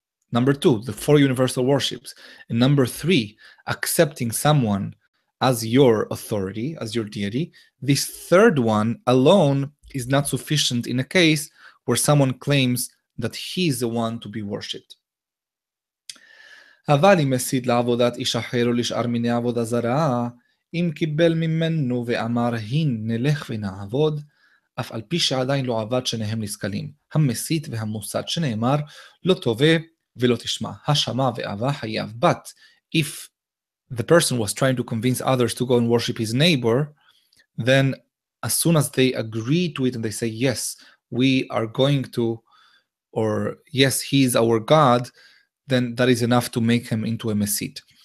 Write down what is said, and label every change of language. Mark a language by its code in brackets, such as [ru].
[en] Number two, the four universal worships. And number three, accepting someone as your authority, as your deity, this third one alone is not sufficient in a case where someone claims that he is the one to be worshipped. [he] אבל אם מסיד לעבודת איש אחר או לשאר מיני עבודה זרה, אם קיבל ממנו ואמר, הן נלך ונעבוד, אף על פי שעדיין לא עבד שניהם נסכלים, המסית והמוסד שנאמר, לא תובה ולא תשמע, השמה ואהבה חייב. [en] But if the person was trying to convince others to go and worship his neighbor, then as soon as they agree to it and they say, yes, we are going to, or yes, he is our God, then that is enough to make him into a mesit.